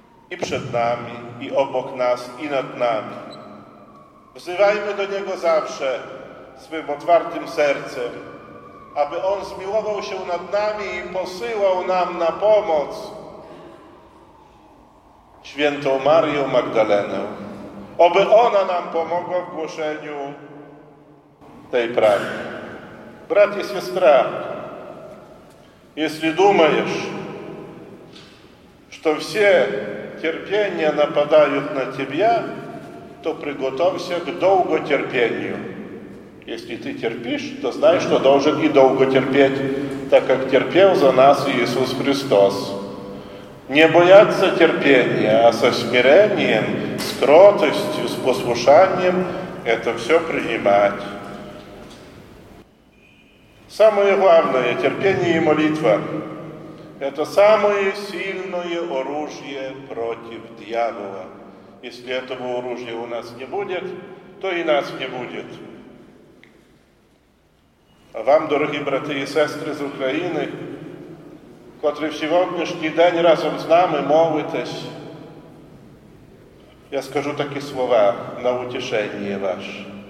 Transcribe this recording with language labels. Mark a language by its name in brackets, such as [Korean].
[Polish] I przed nami, i obok nas, i nad nami. Wzywajmy do Niego zawsze swym otwartym sercem, aby On zmiłował się nad nami i posyłał nam na pomoc świętą Marię Magdalenę. Oby ona nam pomogła w głoszeniu tej prawdy. Brat i siostra, jeśli [Ukrainian] думаєш, що всі терпіння нападають на тебе, то приготовься к довготерпінню. [Russian] Если ты терпишь, то знай, что должен и долго терпеть, так как терпел за нас Иисус Христос. Не бояться терпения, а со смирением, с кротостью, с послушанием это все принимать. Самое главное – терпение и молитва. Это самое сильное оружие против дьявола. Если этого оружия у нас не будет, то и нас не будет. [Ukrainian] А вам, дорогі брати і сестри з України, котрі в сьогоднішній день разом з нами молитесь, я скажу такі слова на утішення ваше.